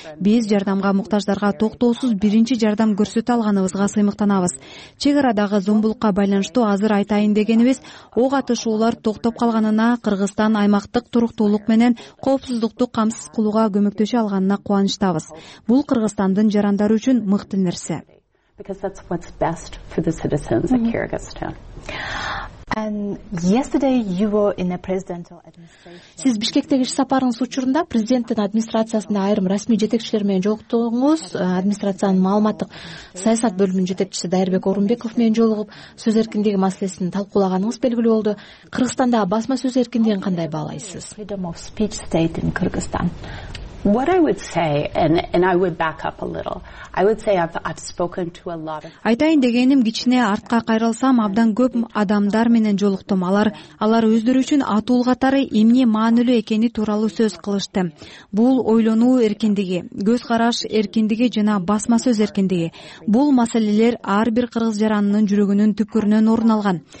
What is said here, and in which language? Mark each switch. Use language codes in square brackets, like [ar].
[ky] Биз жардамга муктаждарга токтоосуз биринчи жардам көрсөтө алганыбызга сыймыктанабыз. Чек арадагы зомбулукка байланыштуу азыр айтайын дегенибиз, ок атышуулар токтоп калганына, Кыргызстан аймактык туруктуулук менен коопсуздукту камсыз кылууга көмөктөшө алганына кубанычтабыз. Бул Кыргызстандын жарандары үчүн мыкты нерсе. [en] Because that's what's best for the citizens of Kyrgyzstan. And yesterday you were in a presidential administration. [ky] Сиз Бишкектеги иш сапарыңыз учурунда президенттин администрациясында айрым расмий жетекчилер менен жолуктуңуз. Администрациянын маалыматтык саясат бөлүмүнүн жетекчиси Дайырбек Орунбеков менен жолугуп, сөз эркиндиги маселесин талкуулаганыңыз белгилүү болду. Кыргызстанда басма сөз эркиндигин кандай баалайсыз? [en] Freedom of speech state in Kyrgyzstan. What I would say, and I would back up a little, I would say I've spoken to a lot of... [ky] Айтайын дегеним, кичине артка кайрылсам, абдан көп адамдар менен жолуктум. Алар өздөрү үчүн атуул катары эмне маанилүү экени тууралуу сөз кылышты. Бул ойлонуу эркиндиги, көз караш эркиндиги жана басма сөз эркиндиги. Бул маселелер ар бир кыргыз жаранынын жүрөгүнүн түпкүрүнөн орун алган.